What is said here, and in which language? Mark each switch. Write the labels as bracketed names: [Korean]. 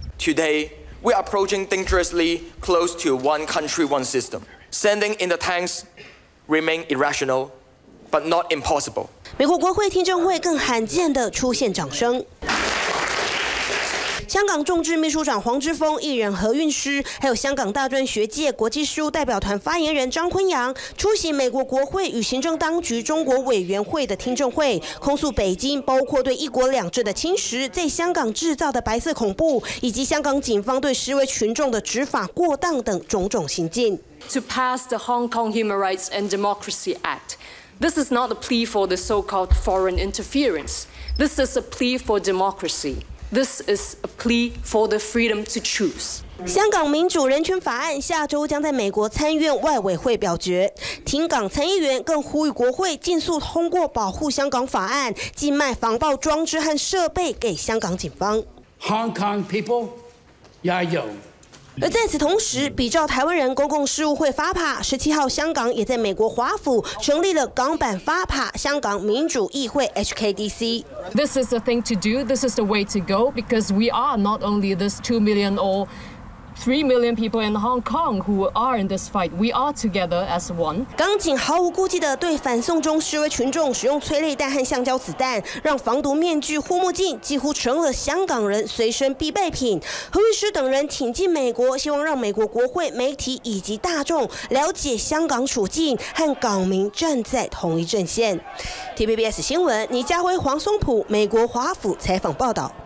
[English] Today, we're approaching dangerously close to one country, one system. Sending in the tanks remain irrational, but not impossible. [Chinese] 美国国会听证会更罕见地出现掌声。香港众志秘书长黄之锋、艺人何韵诗，还有香港大专学界国际事务代表团发言人张坤阳出席美国国会与行政当局中国委员会的听证会，控诉北京包括对一国两制的侵蚀、在香港制造的白色恐怖，以及香港警方对示威群众的执法过当等种种行径。 [English] To pass the Hong Kong Human Rights and Democracy Act, this is not a plea for the so-called foreign interference. This is a plea for democracy. This is a plea for the freedom to choose. [Chinese] 香港民主人权法案下周将在美国参院外委会表决。停港参议员更呼吁国会尽速通过保护香港法案，禁卖防爆装置和设备给香港警方。 [English] Hong Kong people, [Chinese] 加油！而在此同时，比照台湾人公共事务会 FAPA 17号，香港也在美国华府成立了港版 FAPA 香港民主议会 HKDC。 [English] This is the thing to do. This is the way to go because we are not only this 2 million or 3 million people in Hong Kong who are in this fight. We are together as one. [Chinese] 港警毫无顾忌地对反送中示威群众使用催泪弹和橡胶子弹，让防毒面具、护目镜几乎成了香港人随身必备品。何韵诗等人挺进美国，希望让美国国会、媒体以及大众了解香港处境，和港民站在同一阵线。TVBS 新闻，倪家辉、黄松浦，美国华府采访报道。